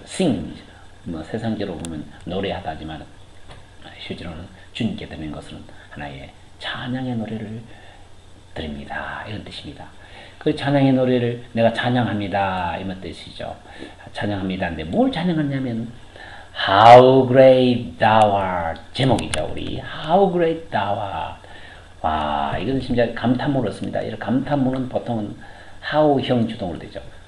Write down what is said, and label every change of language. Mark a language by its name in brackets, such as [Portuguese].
[Korean] Sing 뭐 세상적으로 보면 노래하다지만 실질은 주님께 드리는 것은 하나의 찬양의 노래를 드립니다. 이런 뜻입니다. 그 찬양의 노래를 내가 찬양합니다. 이런 뜻이죠. 찬양합니다인데 뭘 찬양하냐면 [English] How great thou art [Korean] 제목이죠. 우리 [English] How great thou art. [Korean] 와, 이건 진짜 감탄문으로 씁니다. 이런 감탄문은 보통은 how형 주동으로 되죠.